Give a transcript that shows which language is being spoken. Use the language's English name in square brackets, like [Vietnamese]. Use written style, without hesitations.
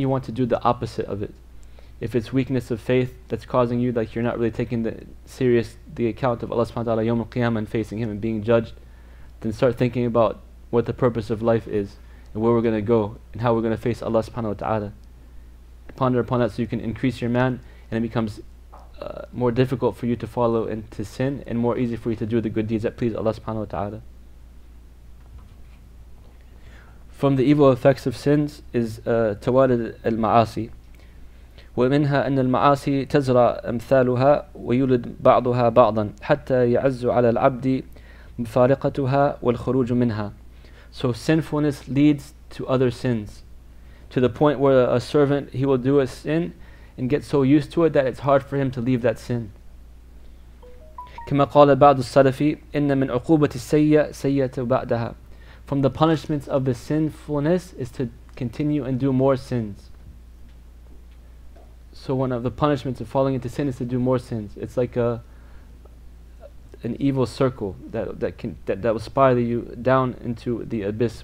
[English] You want to do the opposite of it. If it's weakness of faith that's causing you, like you're not really taking the account of Allah subhanahu wa ta'ala, yawm al-qiyamah, and facing Him and being judged, then start thinking about what the purpose of life is and where we're going to go and how we're going to face Allah subhanahu wa ta'ala. Ponder upon that so you can increase your iman, and it becomes more difficult for you to follow into sin and more easy for you to do the good deeds that please Allah subhanahu wa ta'ala. From the evil effects of sins is tawalid al-ma'asi. [Arabic] ومنها أن المعاصي تزرع أمثالها ويولد بعضها بعضا حتى يعز على العبد مفارقتها والخروج منها. [English] So sinfulness leads to other sins, to the point where a servant, he will do a sin and get so used to it that it's hard for him to leave that sin. [Arabic] كما قال بعض السلف إن من عقوبة السيئة سيئة بعدها. [English] From the punishments of the sinfulness is to continue and do more sins. So one of the punishments of falling into sin is to do more sins. It's like an evil circle that will spiral you down into the abyss.